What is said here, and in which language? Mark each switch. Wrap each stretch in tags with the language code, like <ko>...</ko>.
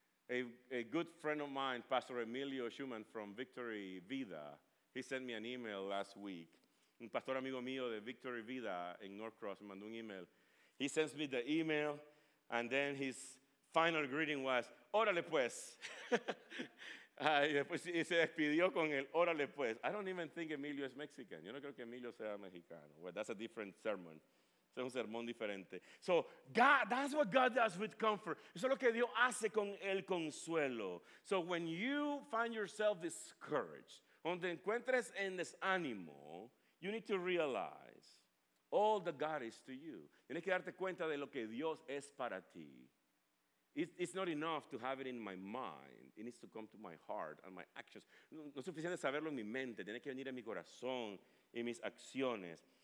<en>A good friend of mine, Pastor Emilio Schumann from Victory Vida, he sent me an email last week.</en> <es>Un pastor amigo mío de Victory Vida en Norcross me mandó un email.</es> <en>He sends me the email, and then his final greeting was,</en> <es>órale pues. Y después y se despidió con el órale pues.</es> <en>I don't even think Emilio is Mexican.</en> <es>Yo no creo que Emilio sea mexicano.</es> <en>Well, that's a different sermon.</en> <es>Es un sermón diferente.</es> <en>So, God, that's what God does with comfort.</en> <es>Eso es lo que Dios hace con el consuelo.</es> <en>So, when you find yourself discouraged,</en> <es>cuando te encuentres en desánimo,</es> <en>you need to realize all that God is to you.</en> <es>Tienes que darte cuenta de lo que Dios es para ti.</es> <en>It's not enough to have it in my mind. It needs to come to my heart and my actions.</en> <es>No es suficiente saberlo en mi mente. Tiene que venir en mi corazón y mis acciones.</es>